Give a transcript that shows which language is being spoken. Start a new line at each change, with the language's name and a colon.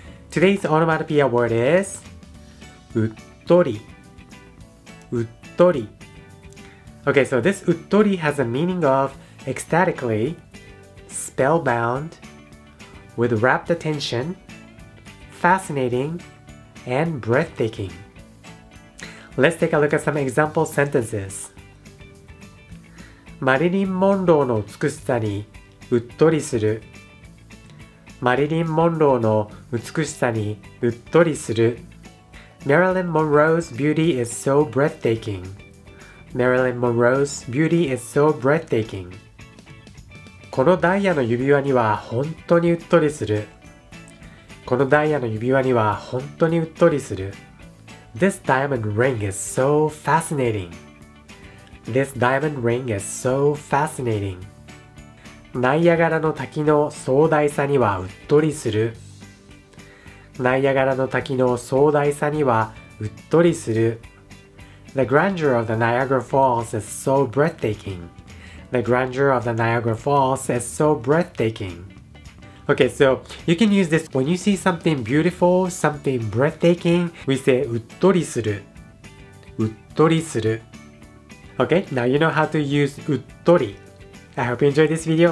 English: Today's onomatopoeia word is うっとり.うっとり. Okay, so this うっとり has a meaning of ecstatically, spellbound, with rapt attention, fascinating, and breathtaking. Let's take a look at some example sentences.
Japanese: マリリン・モンローの美しさにうっとりする。マリリン・モンローの美しさにうっとりする。
English: Marilyn Monroe's beauty is so breathtaking. Marilyn Monroe's beauty is so breathtaking.
Japanese: このダイヤの指輪には本当にうっとりする。このダイヤの指輪には本当にうっとりする。
English: This diamond ring is so fascinating. This diamond ring is so fascinating.
Japanese: ナイアガラの滝の壮大さにはうっとりする。ナイアガラの滝の壮大さにはうっとりする。
English: The grandeur of the Niagara Falls is so breathtaking. The grandeur of the Niagara Falls is so breathtaking. Okay, so you can use this when you see something beautiful, something breathtaking, we say uttori suru. Uttori suru. Okay, now you know how to use uttori. I hope you enjoyed this video.